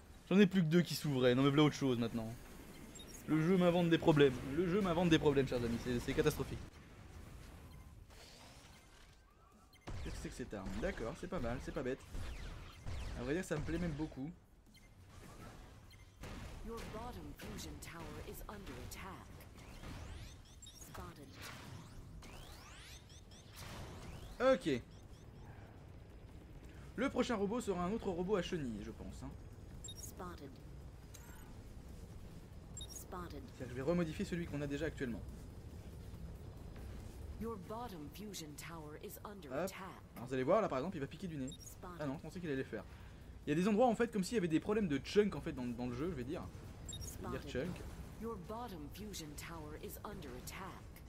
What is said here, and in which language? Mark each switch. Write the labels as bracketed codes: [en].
[fr] J'en ai plus que deux qui s'ouvraient, non mais voilà autre chose maintenant. Le jeu m'invente des problèmes. Le jeu m'invente des problèmes, chers amis, c'est catastrophique. c'est que cette arme. D'accord, c'est pas mal, c'est pas bête. À vrai dire, ça me plaît même beaucoup. [en] Your bottom fusion tower is under attack. Ok. [fr] Le prochain robot sera un autre robot à chenilles, je pense. Hein. Spotted. Spotted. C'est-à-dire que je vais remodifier celui qu'on a déjà actuellement. [en] Your bottom fusion tower is under attack. [fr] Alors vous allez voir, là par exemple, il va piquer du nez. Spotted. Ah non, je pensais qu'il allait faire. Il y a des endroits en fait comme s'il y avait des problèmes de chunk en fait dans le jeu, je vais dire. Spotted. Dire chunk. [en] Your bottom fusion tower is under attack.